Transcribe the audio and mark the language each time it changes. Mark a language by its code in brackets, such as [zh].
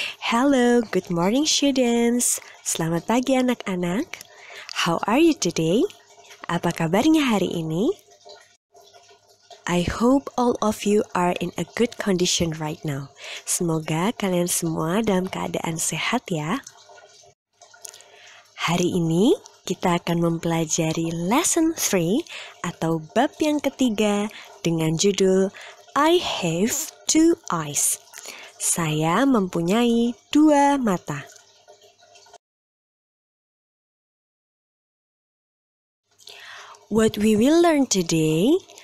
[en] Hello, good morning students. [id] Selamat pagi anak-anak. [en] How are you today? [id] Apa kabarnya hari ini? [en] I hope all of you are in a good condition right now. [id] Semoga kalian semua dalam keadaan sehat ya. Hari ini kita akan mempelajari lesson 3 atau bab yang ketiga dengan judul [en] I have two eyes. [id] Saya mempunyai dua mata. [en] What we will learn today?